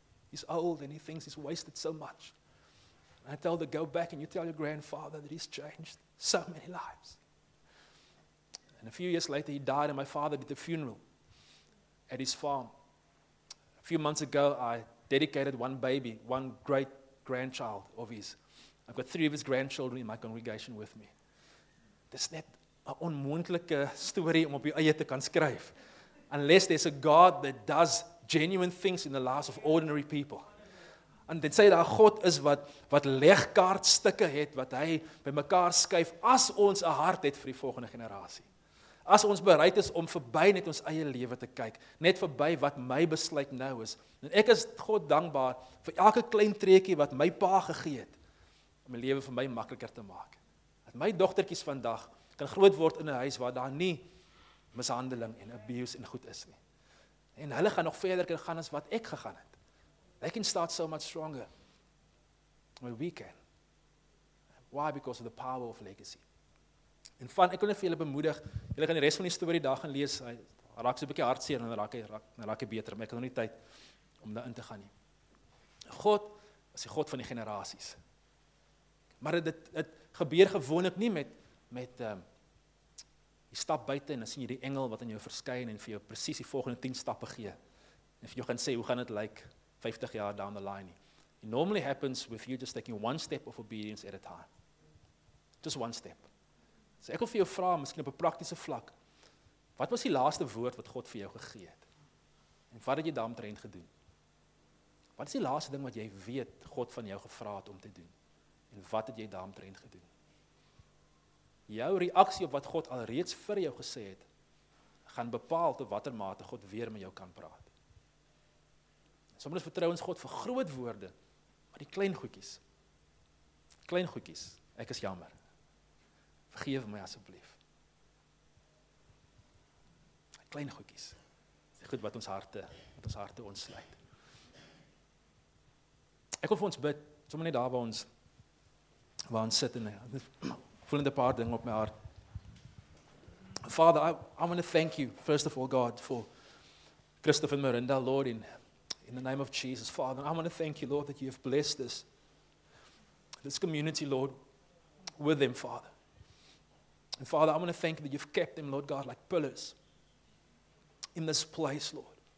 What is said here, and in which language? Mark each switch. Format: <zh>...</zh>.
<en>He's old and he thinks he's wasted so much. I tell her, go back and you tell your grandfather that he's changed so many lives. And a few years later, he died and my father did the funeral at his farm. A few months ago, I dedicated one baby, one great grandchild of his. I've got 3 of his grandchildren in my congregation with me.</en> <af>Dis net 'n onmoontlike storie om op jou eie te kan skryf.</af> <en>Unless there's a God that does genuine things in the lives of ordinary people.</en> <af>En dit sê dat God is wat legkaartstukke het, wat hy by mekaar skuif, as ons 'n hart het vir die volgende generasie. As ons bereid is om verby net ons eie lewe te kyk, net verby wat my besluit nou is. En ek is God dankbaar vir elke klein treekie wat my pa gegee het, om my lewe vir my makliker te maak. Dat my dogtertjies vandag kan groot word in 'n huis waar daar nie mishandeling en abuse en goed is nie. En hulle gaan nog verder kan gaan as wat ek gegaan het.</af> <en>They can start so much stronger than we can. Why? Because of the power of legacy.</en> <af>En van, ek wil net vir julle bemoedig, julle gaan die rest van die story daar gaan lees, raak so 'n bietjie hartseer en raak beter, maar ek het nog nie tyd om daarin te gaan nie. God is die God van die generasies. Maar dit gebeur gewoonlik nie met jy stap buite en dan sien jy die engel wat aan jou verskyn en vir jou presies die volgende 10 stappe gee. En vir jou gaan sê, hoe gaan dit lyk 50 jaar</af> <en>down the line</en> <af>nie.</af> <en>It normally happens with you just taking one step of obedience at a time. Just one step.</en> <af>So ek wil vir jou vra, miskien op 'n praktiese vlak, wat was die laaste woord wat God vir jou gegee het? En wat het jy daaromtrent gedoen? Wat is die laaste ding wat jy weet God van jou gevra het om te doen? En wat het jy daaromtrent gedoen? Jou reaksie op wat God alreeds vir jou gesê het, gaan bepaal tot watter mate God weer met jou kan praat. Sommers vertrou ons God vir groot woorde, maar die klein goedjies. Klein goedjies, ek is jammer. Vergeef my asseblief. Klein goedjies. Die goed wat ons harte ontsluit. Ek wil vir ons bid, sommer net daar waar ons sit en voelend 'n paar dinge op my hart.</af> <en>Father, I want to thank you, first of all, God, for Christopher and Miranda, Lord, in the name of Jesus, Father. I want to thank you, Lord, that you have blessed this community, Lord, with them, Father. And Father, I want to thank you that you've kept them, Lord God, like pillars in this place, Lord.</en>